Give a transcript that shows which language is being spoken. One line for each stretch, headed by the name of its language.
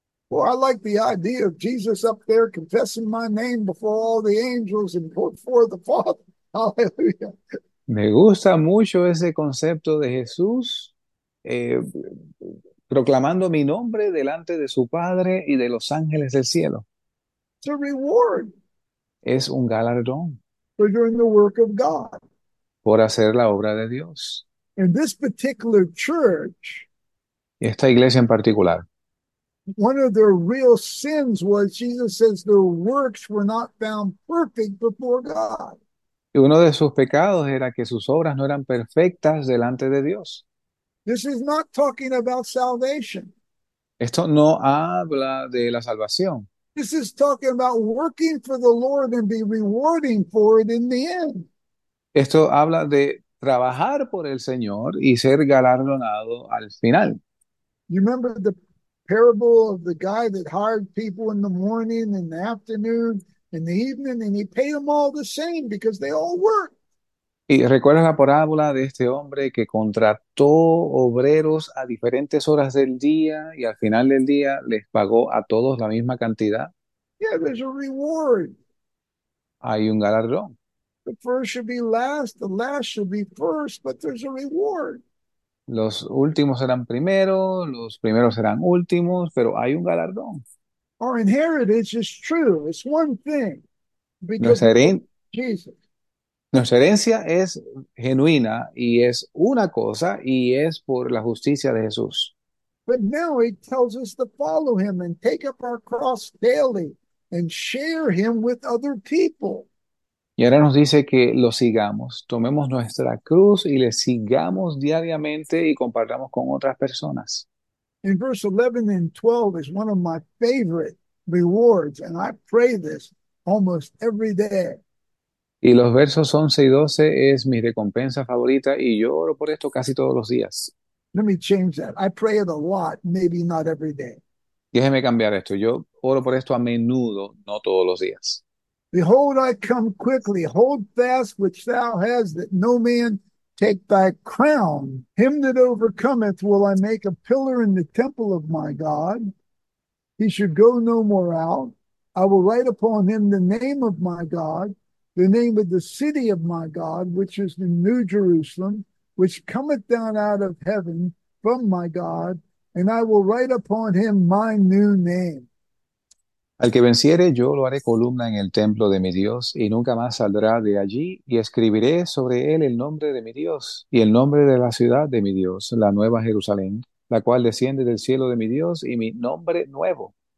English: Well, I like the idea of Jesus up there confessing my name before all the angels and before the Father. Hallelujah.
Spanish: Me gusta mucho ese concepto de Jesús proclamando mi nombre delante de su Padre y de los ángeles del cielo.
English: It's a reward
Spanish: Es un galardón
English: for doing the work of God.
Spanish: por hacer la obra de Dios.
English: In this particular church,
Spanish: Esta iglesia en particular.
English: one of their real sins was, Jesus says, their works were not found perfect before God.
Spanish: Y uno de sus pecados era que sus obras no eran perfectas delante de Dios.
English: This is not talking about salvation.
Spanish: Esto no habla de la salvación.
English: This is talking about working for the Lord and be rewarding for it in the end.
Spanish: Esto habla de trabajar por el Señor y ser galardonado al final.
English: You remember the parable of the guy that hired people in the morning and the afternoon and the evening, and he paid them all the same because they all worked.
Spanish: Y recuerda la parábola de este hombre que contrató obreros a diferentes horas del día y al final del día les pagó a todos la misma cantidad.
English: Yeah, there's a reward.
Spanish: Hay un galardón.
English: The first should be last, the last should be first, but there's a reward.
Spanish: Los últimos serán primero, los primeros serán últimos, pero hay un galardón.
English: Our inheritance is true. It's one thing because
Spanish: Nuestra
English: of Jesus.
Spanish: herencia es genuina y es una cosa y es por la justicia de Jesús.
English: But now he tells us to follow him and take up our cross daily and share him with other people.
Spanish: Y ahora nos dice que lo sigamos, tomemos nuestra cruz y le sigamos diariamente y compartamos con otras personas.
English: In verse 11 and 12 is one of my favorite rewards, and I pray this almost every day.
Spanish: Y los versos 11 y 12 es mi recompensa favorita y yo oro por esto casi todos los días.
English: Let me change that. I pray it a lot, maybe not every day.
Spanish: Déjeme cambiar esto. Yo oro por esto a menudo, no todos los días.
English: Behold, I come quickly. Hold fast which thou hast, that no man take thy crown. Him that overcometh will I make a pillar in the temple of my God. He should go no more out. I will write upon him the name of my God, the name of the city of my God, which is the New Jerusalem, which cometh down out of heaven from my God, and I will write upon him my new name.
Spanish: Al que venciere, yo lo haré columna en el templo de mi Dios y nunca más saldrá de allí, y escribiré sobre él el nombre de mi Dios y el nombre de la ciudad de mi Dios, la Nueva Jerusalén, la cual desciende del cielo de mi Dios, y mi nombre nuevo.